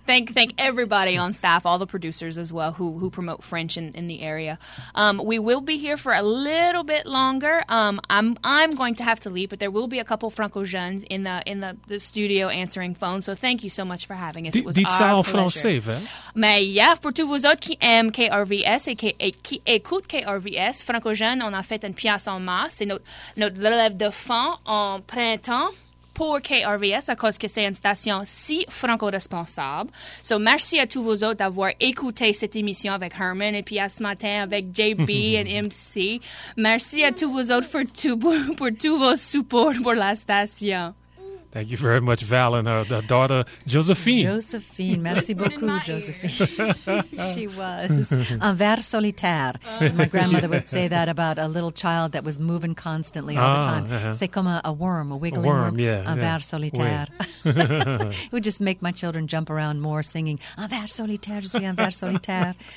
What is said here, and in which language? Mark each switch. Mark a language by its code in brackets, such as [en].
[en] Thank everybody on staff, all the producers as well, who promote French in the area. We will be here for a little bit longer. I'm going to have to leave, but there will be a couple Franco Jeunes in the studio answering phones. So thank you so much for having us. It was our pleasure. [fr] Mais pour tous vous autres qui aiment KRVS et qui écoutent KRVS, Franco Jeunes, on a fait une pièce en masse. C'est notre relève de fond en printemps pour KRVS, à cause que c'est une station si franco-responsable. [en] So, [fr] merci à tous vous autres d'avoir écouté cette émission avec Herman et puis à ce matin avec JB et MC. Merci à tous vous autres pour tout vos supports pour la station. [en] Thank you very much, Val, and the daughter, Josephine. [fr] Josephine. Merci beaucoup, Josephine. [en] She was. [fr] Un ver solitaire. [en] My grandmother would say that about a little child that was moving constantly all the time. Uh-huh. C'est comme a worm, a wiggling worm. Un ver solitaire. It would just make my children jump around more singing, [fr] un ver solitaire, je suis un ver solitaire.